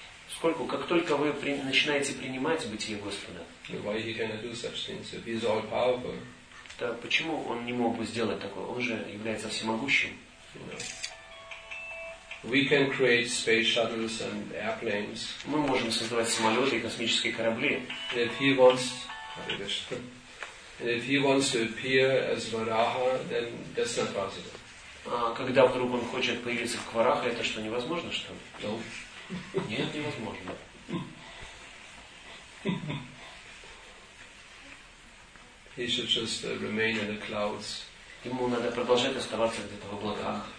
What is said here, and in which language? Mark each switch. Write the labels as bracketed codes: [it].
[ru] сколько, как только вы начинаете принимать бытие Господа, [en] why he cannot do such things? If he is all powerful, [ru] то почему он не мог бы сделать такое? Он же является всемогущим. [en] We can create space shuttles and airplanes. [ru] Мы можем создавать самолеты и космические корабли. [en] If he wants to appear as Varaha, then that's not possible. [ru] А когда вдруг он хочет появиться в Квараха, это что, невозможно, что ли? [en] No. [ru] Нет, невозможно. [en] He should just remain in the clouds. [ru] Ему надо продолжать оставаться где-то в облаках.